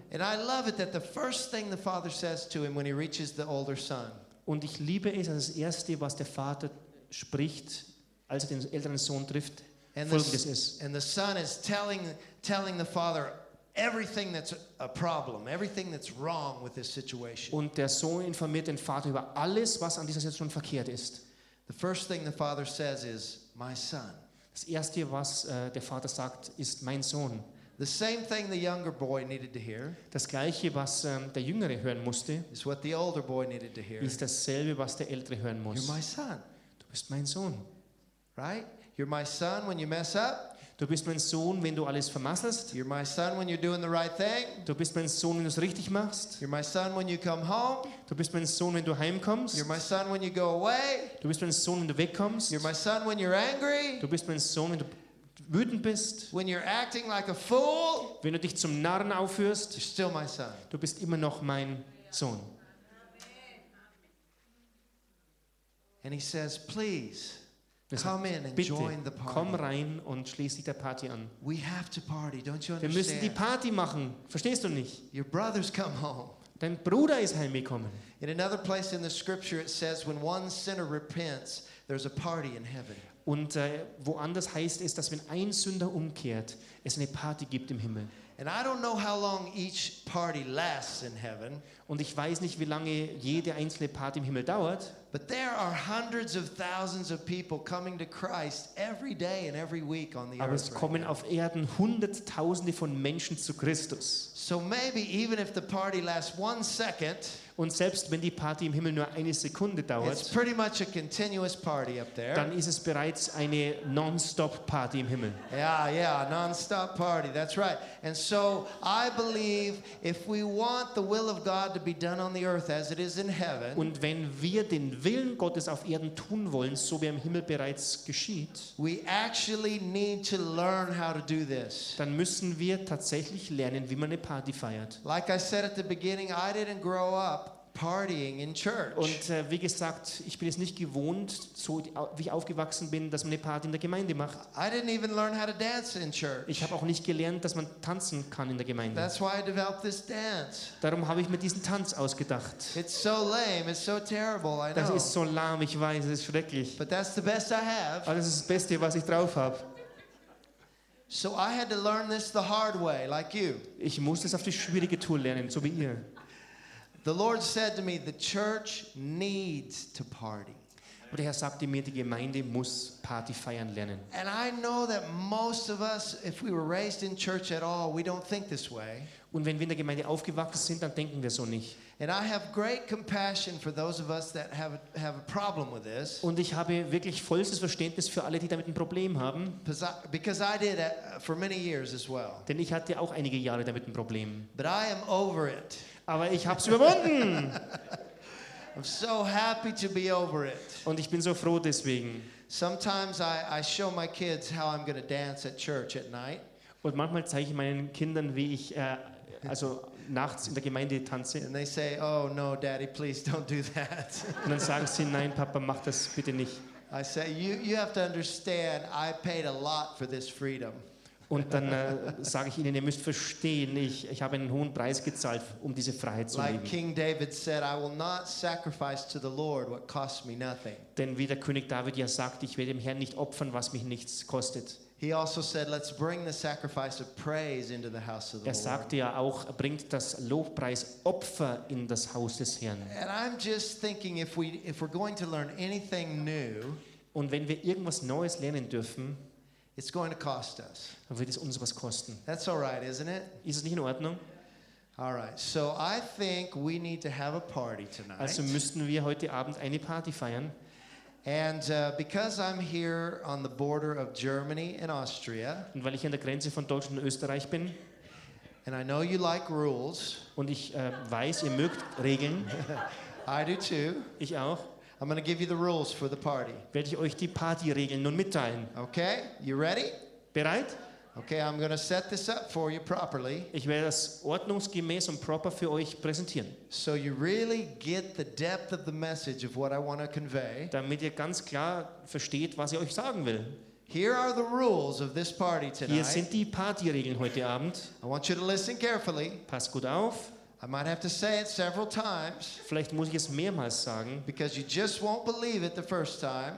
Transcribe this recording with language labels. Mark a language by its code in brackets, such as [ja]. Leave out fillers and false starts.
[en] And I love it that the first thing the father says to him when he reaches the older son. [de] Und ich liebe es, dass das erste, was der Vater spricht, als er den älteren Sohn trifft, folgendes ist. [en] And the son is telling the father everything that's a problem, everything that's wrong with this situation. [de] Und der Sohn informiert den Vater über alles, was an dieser Situation verkehrt ist. [en] The first thing the father says is, my son. [de] Das erste, was der Vater sagt, ist mein Sohn. [en] The same thing the younger boy needed to hear. [de] Das gleiche, was der Jüngere hören musste, [en] is what the older boy needed to hear. [de] Ist dasselbe, was der Ältere hören muss. [en] You're my son. [de] Du bist mein Sohn. [en] Right? You're my son when you mess up. [de] Du bist mein Sohn, wenn du alles vermasselst. [en] You're my son when you're doing the right thing. [de] Du bist mein Sohn, wenn du es richtig machst. [en] You're my son when you come home. [de] Du bist mein Sohn, wenn du heimkommst. [en] You're my son when you go away. [de] Du bist mein Sohn, wenn du wegkommst. [en] You're my son when you're angry. [de] Du bist mein Sohn, wenn du wütend bist. [en] When you're acting like a fool. [de] Wenn du dich zum Narren aufführst. [en] You're still my son. [de] Du bist immer noch mein Sohn. [en] And he says, please. Come in and [de] bitte, [en] join the party. [de] Komm rein und schließ dich der Party an. [en] We have to party, don't you understand? [de] Wir müssen die Party machen. Verstehst du nicht? [en] Your brother's come home. [de] Dein Bruder ist heimgekommen. [en] In another place in the scripture it says, when one sinner repents, there's a party in heaven. [de] Und woanders heißt es, dass wenn ein Sünder umkehrt, es eine Party gibt im Himmel. [en] And I don't know how long each party lasts in heaven. [de] Und ich weiß nicht, wie lange jede einzelne Party im Himmel dauert. [en] But there are hundreds of thousands of people coming to Christ every day and every week on the earth. [de] Aber es kommen auf Erden hunderttausende von Menschen zu Christus. [en] So maybe even if the party lasts 1 second, [de] und selbst wenn die Party im Himmel nur eine Sekunde dauert, [en] it's pretty much a continuous party up there. [de] Dann ist es bereits eine non-stop Party im Himmel. [en] Yeah, non-stop party. That's right. And so I believe if we want the will of God to be done on the earth as it is in heaven, [de] und wenn wir den Willen Gottes auf Erden tun wollen, so wie er im Himmel bereits geschieht, [en] we actually need to learn how to do this. [de] Dann müssen wir tatsächlich lernen, wie man eine Party feiert. [en] Like I said at the beginning, I didn't grow up partying in church. [de] Und wie gesagt, ich bin es nicht gewohnt, so wie ich aufgewachsen bin, dass man eine Party in der Gemeinde macht. [en] I didn't even learn how to dance in church. [de] Ich habe auch nicht gelernt, dass man tanzen kann in der Gemeinde. [en] That's why I developed this dance. [de] Darum habe ich mir diesen Tanz ausgedacht. [en] It's so lame, it's so terrible, I know. [de] Das ist so lahm, ich weiß, es ist schrecklich. [en] But that's the best I have. [de] Aber das ist das Beste, was ich drauf habe. [en] So I had to learn this the hard way, like you. [de] Ich musste es auf die schwierige Tour lernen, so wie ihr. [en] The Lord said to me, the church needs to party. [de] Und der Herr sagte mir, die Gemeinde muss Party feiern lernen. [en] And I know that most of us, if we were raised in church at all, we don't think this way. [de] Und wenn wir in der Gemeinde aufgewachsen sind, dann denken wir so nicht. [en] And I have great compassion for those of us that have a problem with this. [de] Und ich habe wirklich vollstes Verständnis für alle, die damit ein Problem haben. [en] Because I did it for many years as well. [de] Denn ich hatte auch einige Jahre damit ein Problem. [en] But I am over it. [de] Aber ich hab's überwunden. [en] I'm so happy to be over it. [de] Und ich bin so froh deswegen. [en] Sometimes I show my kids how I'm going to dance at church at night. [de] Und manchmal zeige ich meinen Kindern, wie ich also nachts in der Gemeinde tanze. [en] And they say, "Oh no, Daddy, please don't do that." [de] Und dann sagen sie, "Nein, Papa, mach das bitte nicht." [en] I say, "You have to understand, I paid a lot for this freedom." [de] Und dann sage ich ihnen, ihr müsst verstehen, ich habe einen hohen Preis gezahlt, um diese Freiheit zu leben. [en] Like King David said, I will not sacrifice to the Lord what costs me nothing. [de] Denn wie der König David ja sagt, ich werde dem Herrn nicht opfern, was mich nichts kostet. [en] He also said, let's bring the sacrifice of praise into the house of the Lord. [de] Er sagte ja auch, bringt das Lobpreisopfer in das Haus des Herrn. [en] And I'm just thinking, if we're going to learn anything new, [de] und wenn wir irgendwas Neues lernen dürfen, [en] it's going to cost us. [de] Dann wird es uns was kosten. [en] That's all right, isn't it? [de] Ist es nicht in Ordnung? [en] All right. So I think we need to have a party tonight. [de] Also müssten wir heute Abend eine Party feiern. [en] And because I'm here on the border of Germany and Austria. [de] Und weil ich an der Grenze von Deutschland und Österreich bin. [en] And I know you like rules. [de] Und ich weiß, ihr mögt Regeln. [en] I do too. [de] Ich auch. [en] I'm going to give you the rules for the party. [de] Werde ich euch die Partyregeln nun mitteilen. [en] Okay, you ready? [de] Bereit? [en] Okay, I'm going to set this up for you properly. [de] Ich werde das ordnungsgemäß und proper für euch präsentieren. [en] So you really get the depth of the message of what I want to convey. [de] Damit ihr ganz klar versteht, was ich euch sagen will. [en] Here are the rules of this party tonight. [de] Hier sind die Partyregeln heute Abend. [en] I want you to listen carefully. [de] Passt gut auf. [en] I might have to say it several times. [de] Vielleicht muss ich es mehrmals sagen. [en] Because you just won't believe it the first time.